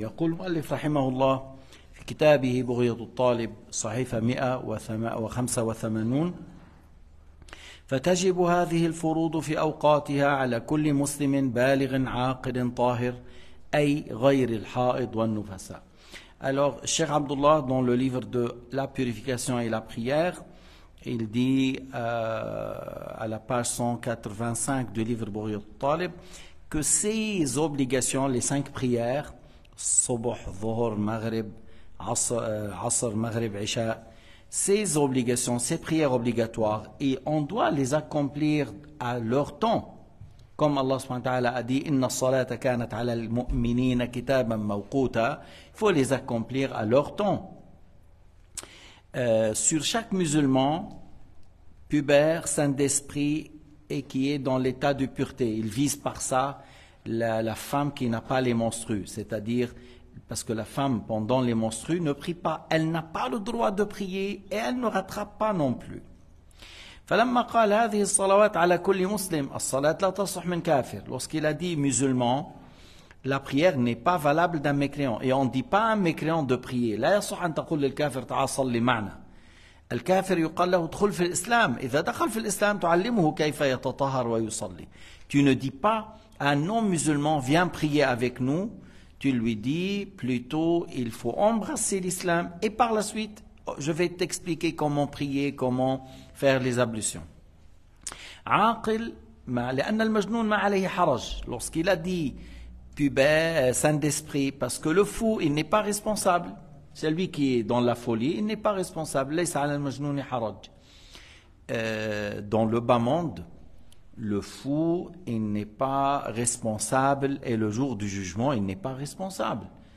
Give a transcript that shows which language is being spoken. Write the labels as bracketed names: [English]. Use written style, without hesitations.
[Arabic] يقول المؤلف رحمه الله في كتابه بغية الطالب صحيفة 185: فتجب هذه الفروض في أوقاتها على كل مسلم بالغ عاقل طاهر أي غير الحائض والنفساء. [French] Alors, Cheikh Abdullah, dans le livre de La Purification et la Prière, il dit à la page 185 du livre Bughyat al-Talib que ces obligations, les cinq prières, Subh, Dhuhr, Maghrib, Asr, Maghrib, Isha, ces obligations, ces prières obligatoires, et on doit les accomplir à leur temps. Comme Allah subhanahu wa ta'ala a dit, [Arabic] Inna salata kanat ala al-mu'minina kitaban mawquta, [French] il faut les accomplir à leur temps. Sur chaque musulman pubère, saint d'esprit, et qui est dans l'état de pureté, il vise par ça la femme qui n'a pas les menstrues, c'est-à-dire. Parce que la femme, pendant les menstrues, ne prie pas. Elle n'a pas le droit de prier et elle ne rattrape pas non plus. [Arabic] فَلَمَّا قَالَ هَذِهِ الصَّلَوَاتِ عَلَى كُلِّ مُسْلِمِ الصَّلَاتِ لَا تَصُحْ مِنْ كَافِرِ [French] Lorsqu'il a dit musulman, la prière n'est pas valable d'un mécréant. Et on ne dit pas à un mécréant de prier. [Arabic] لَا يَصُحْ أَنْ تَقُلْ لِلْكَافِرِ تَعَصَلِّ مَعْنَا الكافر يقال له ادخل في الإسلام إذا دخل في الإسلام تعلمه كيف يتطهر ويصلي. [French] Tu ne dis pas à un non-musulman, viens prier avec nous. Tu lui dis plutôt, il faut embrasser l'islam et par la suite, je vais t'expliquer comment prier, comment faire les ablutions. [Arabic] عاقل مع لأن المجنون ما عليه حرج. [French] Lorsqu'il a dit pubère, saint d'esprit, parce que le fou, il n'est pas responsable. C'est lui qui est dans la folie, il n'est pas responsable. [Arabic] ليس على المجنون حرج. [French] Dans le bas monde, le fou, il n'est pas responsable, et le jour du jugement, il n'est pas responsable.